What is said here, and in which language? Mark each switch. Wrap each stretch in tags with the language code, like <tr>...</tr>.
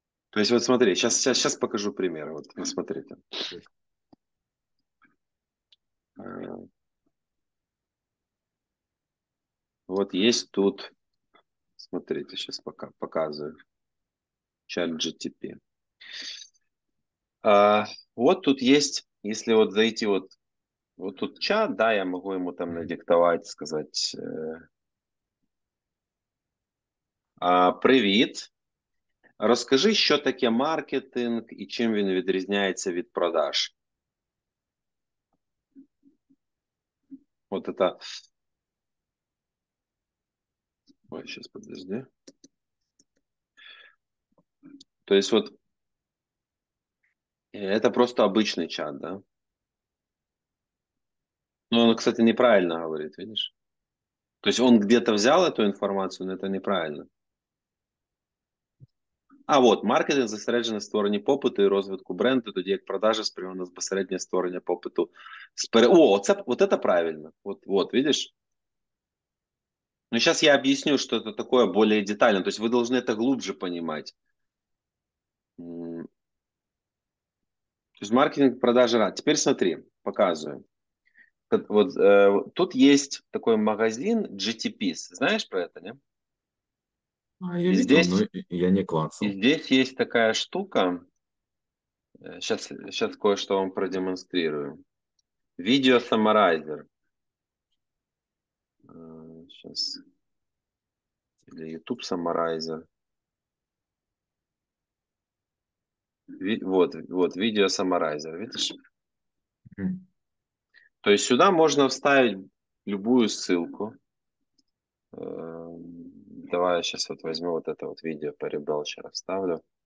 <ru>То есть вот смотри, сейчас покажу пример. Вот смотри там. Вот есть тут, смотрите, сейчас пока показываю, чат GTP. Вот тут есть, если вот зайти вот тут чат, да, я могу ему там надиктовать, сказать,</ru> <uk>привіт, розкажи, що таке маркетинг і чим він відрізняється від продаж.</uk> <ru>Вот это... Ой, сейчас подожди. То есть вот это просто обычный чат, да? Но он, кстати, неправильно говорит, видишь? То есть он где-то взял эту информацию, но это неправильно.</ru> <uk>А вот, маркетинг зосереджений на створенні попиту і розвитку бренду, тоді як продажа спрямована безпосередньо створення попиту. О, це правильно.</uk> <ru>Вот, видишь? Ну, сейчас я объясню, что это такое более детально. То есть вы должны это глубже понимать. Есть маркетинг, продажа. Теперь смотри, показываю. Вот тут есть такой магазин GTPs. Знаешь про это, не? А я И видел, но здесь я не клацал. Есть такая штука. Сейчас кое-что вам продемонстрирую. Видео-саммарайзер. Сейчас. Или YouTube Summarizer. Вот, видео Summarizer, видишь? То есть сюда можно вставить любую ссылку. Давай я сейчас вот возьму вот это вот видео по ребелчеру вставлю.</ru>